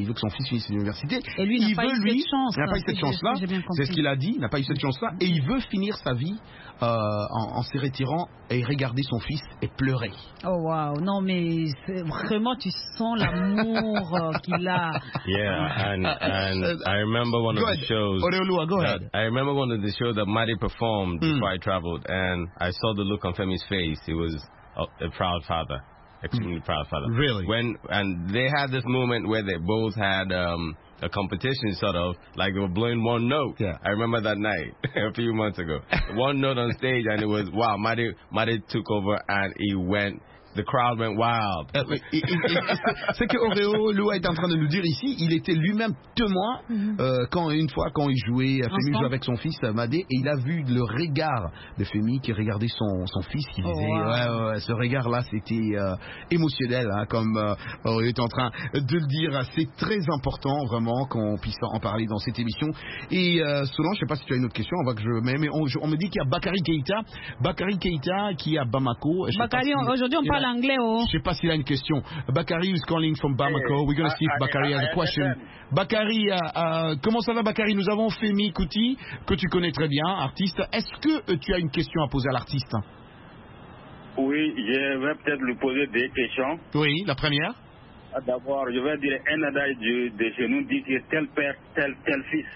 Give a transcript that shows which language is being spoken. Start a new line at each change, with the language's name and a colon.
French: Il veut que son fils finisse l'université. Et lui, il n'a pas eu cette chance-là. C'est ce qu'il a dit. Il n'a pas eu cette chance-là. Et il veut finir sa vie en se retirant et regarder son fils et pleurer. Oh, waouh. Non, mais vraiment, tu sens l'amour qu'il a.
English: Yeah, and I remember one of the shows. Oreolua, go ahead. I remember one of the shows that Madi performed before I traveled, and I saw the look on Femi's face. He was a proud father, extremely proud father. Really? And they had this moment where they both had a competition, sort of, like they were blowing one note. Yeah. I remember that night, a few months ago. One note on stage, and it was, wow, Madi took over, and he went... The crowd went wild.
French: C'est que Oreolua est en train de nous dire ici, il était lui-même témoin quand il jouait, Femi jouait avec son fils Madi, et il a vu le regard de Femi qui regardait son fils, qui disait, ce regard-là, c'était émotionnel, hein, comme il est en train de le dire. C'est très important vraiment qu'on puisse en parler dans cette émission. Et Solange, je sais pas si tu as une autre question, on me dit qu'il y a Bakary Keïta qui est à Bamako. Bakary, si aujourd'hui on parle.
English: I don't know if he has a question. Bakary is calling from Bamako. Hey, we're going to see if Bakary has a question.
French: Bakary, comment ça va, Bakary? Nous avons Femi Kuti, que tu connais très bien, artiste. Est-ce que tu as une question à poser à l'artiste? Oui, je vais peut-être lui poser des questions. Oui, la première. D'abord, je vais dire un adage de chez nous, dit que tel père, tel fils.